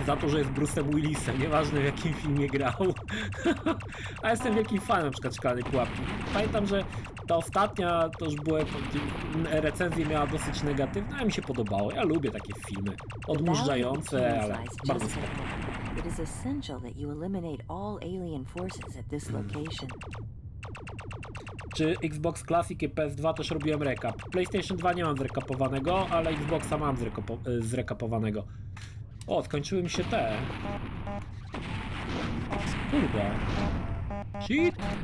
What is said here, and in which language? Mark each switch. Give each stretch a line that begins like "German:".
Polish: Za to, że jest Bruce'em Willisem, nieważne w jakim filmie grał. A jestem wielkim fanem na przykład Szklanej pułapki. Pamiętam, że ta ostatnia, to już była, recenzja miała dosyć negatywna, a mi się podobało. Ja lubię takie filmy. Odmurzające, ale bardzo spoko.
English: It is essential that you eliminate all alien forces at this location.
Polish: czy Xbox Classic i PS2 też robiłem rekap. PlayStation 2 nie mam zrekapowanego, ale Xboxa mam zrekapowanego. O, skończyły mi się te. Kurde.
English: Shit.